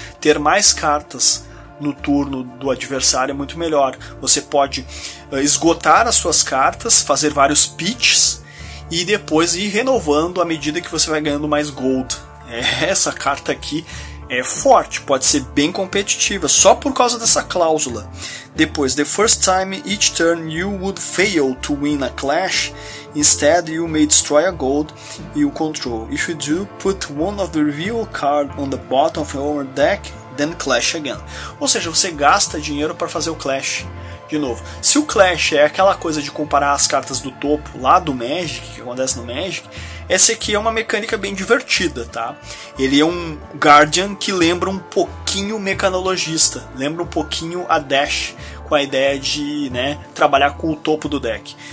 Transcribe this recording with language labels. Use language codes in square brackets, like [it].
[pt] Ter mais cartas no turno do adversário é muito melhor. Você pode esgotar as suas cartas, fazer vários pitches e depois ir renovando à medida que você vai ganhando mais gold. Essa carta aqui é forte, pode ser bem competitiva, só por causa dessa cláusula. Depois, [en] the first time each turn you would fail to win a clash, instead you may destroy a gold you control. If you do, put one of the reveal card on the bottom of your deck, then clash again. [pt] Ou seja, você gasta dinheiro para fazer o clash de novo. Se o clash é aquela coisa de comparar as cartas do topo lá do Magic, que acontece no Magic, essa aqui é uma mecânica bem divertida, tá? Ele é um Guardian que lembra um pouquinho o Mecanologista, lembra um pouquinho a Dash, com a ideia de, né, trabalhar com o topo do deck.